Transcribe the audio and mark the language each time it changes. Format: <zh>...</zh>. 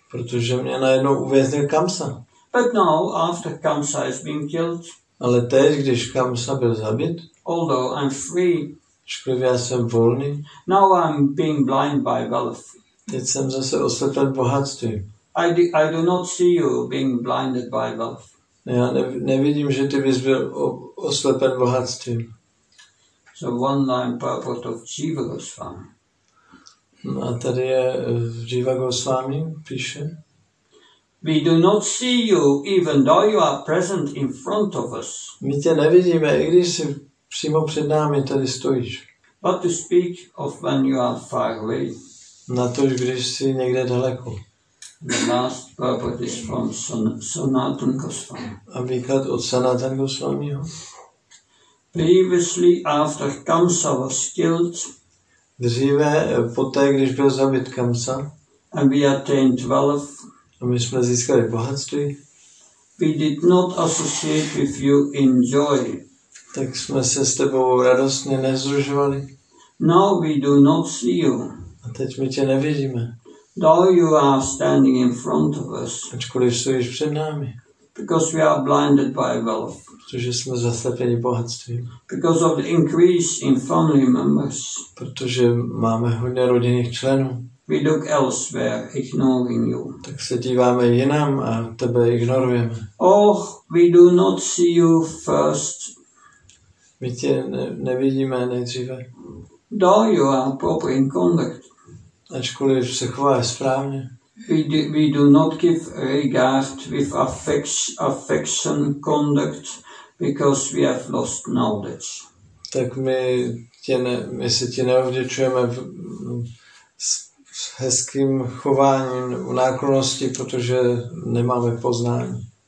<cs>Protože mě najednou uvěznil Kamsa.</cs> <en>But now, after Kamsa has been killed,</en> <cs>ale teď, když Kamsa byl zabit,</cs> <en>although I'm free,</en> <cs>ačkoliv já jsem volný,</cs> <en>now I'm being blind by wealth.</en> <cs>Teď jsem zase oslepen bohatstvím.</cs> <en>I do not see you being blinded by wealth.</en> <cs>Já nevidím, že ty bys byl oslepen bohatstvím.</cs> <en>the one-line purport of Jiva Goswami.</en> <cs>A tady je Jiva Goswami píše.</cs> <en>We do not see you, even though you are present in front of us.</en> <cs>My tě nevidíme, i když jsi přímo před námi tady stojíš.</cs> <en>But to speak of when you are far away.</en> <cs>Na to, když jsi někde daleko.</cs> <en>The last purport is from Sanatan Goswami.</en> <cs>A výklad od Sanatan Goswamiho.</cs> <en>Previously, after Kamsa was killed.</en> <cs>Dříve, poté, když byl zabit Kamsa.</cs> <en>And we attained wealth.</en> <cs>A my jsme získali bohatství.</cs> <en>We did not associate with you in joy.</en> <cs>Tak jsme se s tebou radostně nezružovali.</cs> <en>Now we do not see you.</en> <cs>A teď my tě nevidíme.</cs> <en>Though you are standing in front of us.</en> <cs>Ačkoliv stojíš před námi.</cs> <en>Because we are blinded by wealth.</en> <cs>Protože jsme zaslepeni bohatstvím.</cs> <en>Because of the increase in family members.</en> <cs>Protože máme hodně rodinných členů.</cs> <en>We look elsewhere, ignoring you.</en> <cs>Tak se díváme jinam a tebe ignorujeme.</cs> <en>Oh, we do not see you first.</en> <cs>My tě nevidíme nejdříve.</cs> <en>Though you are proper in conduct.</en> <cs>Ačkoliv se chováš správně.</cs> <en>We do not give regard with affection conduct because we have lost knowledge.</en> <cs>Tak my se ti neovděčujeme s hezkým chováním u náklonosti, protože nemáme poznání.</cs>